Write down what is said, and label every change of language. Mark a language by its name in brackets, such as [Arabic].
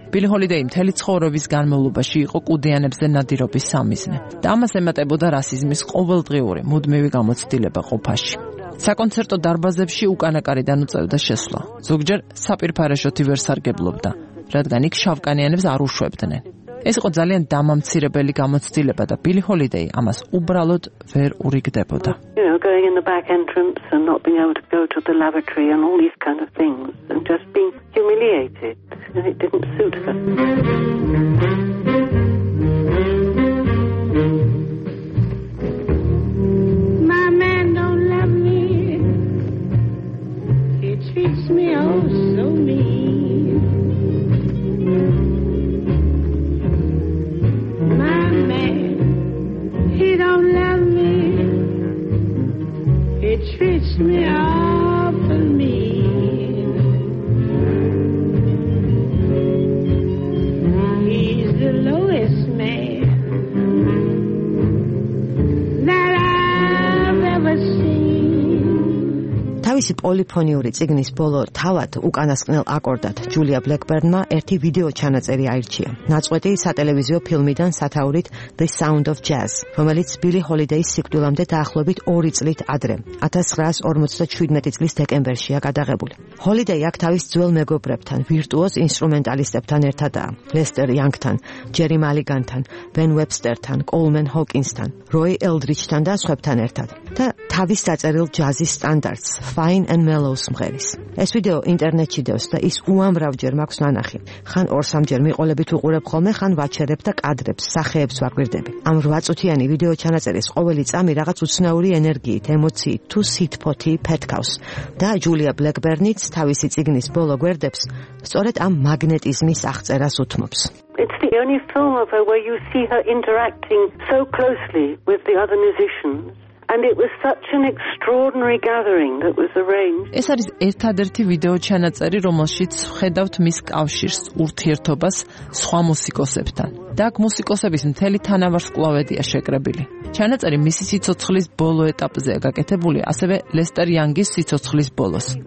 [Georgian] ბილი ჰოლიდეი მთელი ცხოვრების განმავლობაში იყო კუდიანებზე ნადირობის სამიზნე და ამას ემატებოდა რასიზმის ყოველდღიური მუდმივი გამოცდილება ყოფაში. საკონცერტო დარბაზებში უკანაკარიდან უწევდა შესვლა. ზოგჯერ საპირფარეშოთი ვერ სარგებლობდა, რადგან იქ შავკანიანებს არ უშვებდნენ. ეს იყო ძალიან დამამცირებელი გამოცდილება და ბილი ჰოლიდეი ამას უბრალოდ ვერ ურიგდებოდა. [English] Going in the back entrance and not being able to go to the lavatory and all these kind of things and just being humiliated, and it didn't suit her. My man don't love me. He treats me oh so mean. My man, he don't love me. He treats me awful mean. He's the lowest man that I've ever seen. [Georgian] თავისი პოლიფონიური წიგნის ბოლო თავად უკანასკნელ აკორდად ჯულია ბლეკბერნმა ერთი ვიდეო ჩანაწერი აირჩია. ნაწყვეტი სატელევიზიო ფილმიდან სათაურით The Sound of Jazz, რომელიც ბილი ჰოლიდეის სიკვდილამდე დაახლოებით 2 წლით ადრე, 1957 წლის დეკემბერშია გადაღებული. ჰოლიდეი აქ თავის ძველ მეგობრებთან, ვირტუოზ ინსტრუმენტალისტებთან ერთადაა: ლესტერ იანგთან, ჯერი მალიგანთან, ბენ ვებსტერთან, კოლმენ ჰოკინსთან, როი ელდრიჩთან და სხვებთან ერთად. და თავის საწერილ ჯაზის სტანდარტს Fine and Mellow's მღერის. ეს ვიდეო ინტერნეტში დევს და ის უამრავჯერ მაქვს ნანახი. ხან 2-3ჯერ მიყოლებით უყურებ ხოლმე, ხან ვაჩერებ და კადრებს, სახეებს ვაკვირდები. ამ 8 წუთიანი ვიდეო ჩანაწერის ყოველი წამი რაღაც უცნაური ენერგიით, ემოციით თუ სითფოთი ფეთქავს. და ჯულია ბლეკბერნიც თავისი წიგნის ბოლო გვერდებს სწორედ ამ მაგნეტიზმის აღწერას უთმობს. [English] It's the only film of her where you see her interacting so closely with the other musicians. And it was such an extraordinary gathering that was arranged. [Georgian] ეს არის ერთადერთი ვიდეო ჩანაწერი, რომელშიც ხედავთ მის კავშირს, ურთიერთობას სხვა მუსიკოსებთან. და აქ მუსიკოსების მთელი თანავარსკვლავედია შეკრებილი. ჩანაწერი მისი სიცოცხლის ბოლო ეტაპზეა გაკეთებული, ასევე ლესტერ იანგის სიცოცხლის ბოლოს.